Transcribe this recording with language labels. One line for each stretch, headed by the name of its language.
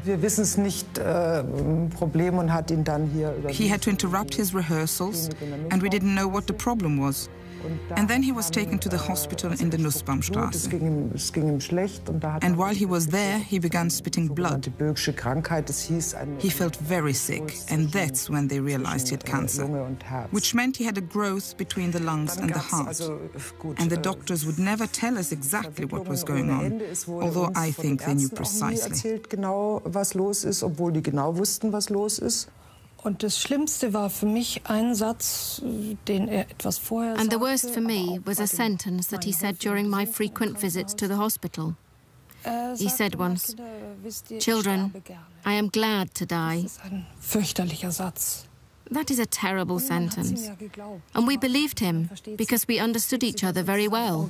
German: Wir wissen es nicht, Problem und hat ihn dann hier.
English: He had to interrupt his rehearsals and we didn't know what the problem was. And then he was taken to the hospital in the Nussbaumstraße.
German: Es ging ihm schlecht und da hat.
English: And while he was there, he began spitting blood.
German: Böck'sche Krankheit, es hieß ein.
English: He felt very sick, and that's when they realized he had cancer, which meant he had a growth between the lungs and the heart. And the doctors would never tell us exactly what was going on, although I think they knew precisely.
German: Erzählt genau, was los ist, obwohl die genau wussten, was los ist. Und das Schlimmste war für mich ein Satz, den etwas vorher sagte.
English: And the worst for me was a sentence that he said during my frequent visits to the hospital. He said once, "Children, I am glad to die."
German: Das ist ein fürchterlicher Satz.
English: That is a terrible sentence. And we believed him because we understood each other very well.